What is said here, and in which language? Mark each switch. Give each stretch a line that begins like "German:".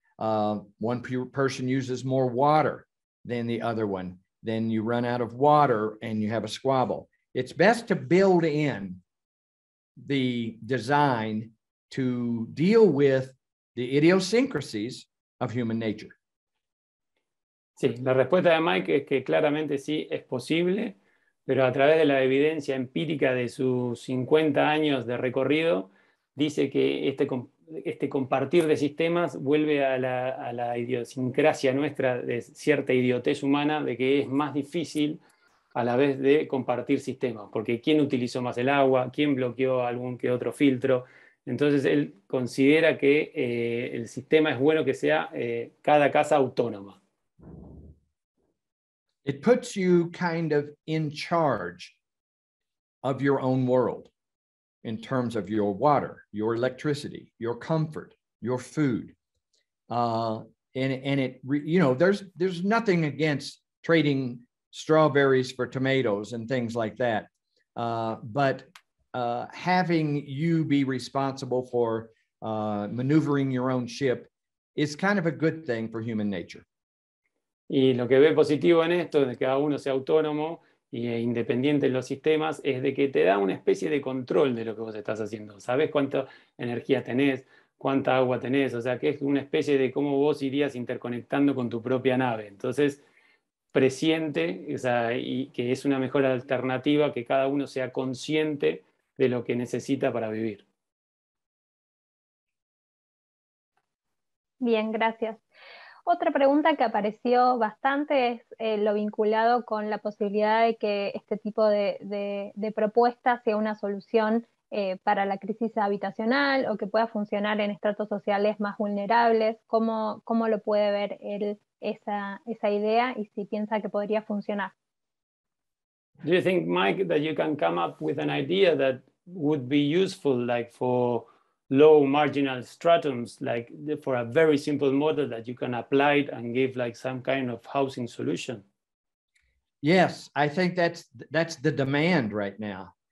English: One person uses more water than the other one, then you run out of water and you have a squabble. It's best to build in the design to deal with the idiosyncrasies of human nature.
Spanish: Sí, la respuesta de Mike es que claramente sí, es posible, pero a través de la evidencia empírica de sus 50 años de recorrido, dice que este compartir de sistemas vuelve a la idiosincrasia nuestra de cierta idiotez humana, de que es más difícil a la vez de compartir sistemas, porque ¿quién utilizó más el agua? ¿Quién bloqueó algún que otro filtro? Entonces él considera que el sistema es bueno que sea cada casa autónoma. It puts you kind of in charge of your own world in terms of your water, your electricity, your comfort, your food. There's nothing against trading strawberries for tomatoes and things like that. But having you be responsible for maneuvering your own ship is kind of a good thing for human nature. Y lo que ve positivo en esto, de que cada uno sea autónomo e independiente en los sistemas, es de que te da una especie de control de lo que vos estás haciendo. Sabés cuánta energía tenés, cuánta agua tenés, o sea, que es una especie de cómo vos irías interconectando con tu propia nave. Entonces, presiente, o sea, y que es una mejor alternativa que cada uno sea consciente de lo que necesita para vivir. Bien, gracias. Otra pregunta que apareció bastante es lo vinculado con la posibilidad de que este tipo de propuesta sea una solución para la crisis habitacional o que pueda funcionar en estratos sociales más vulnerables. ¿Cómo lo puede ver él esa idea y si piensa que podría funcionar?
English: Do you think, Mike, that you can come up with an idea that would be useful, like for low marginal stratums, like for a very simple model that you can apply it and give like some kind of housing solution? Yes, I think that's the demand right now.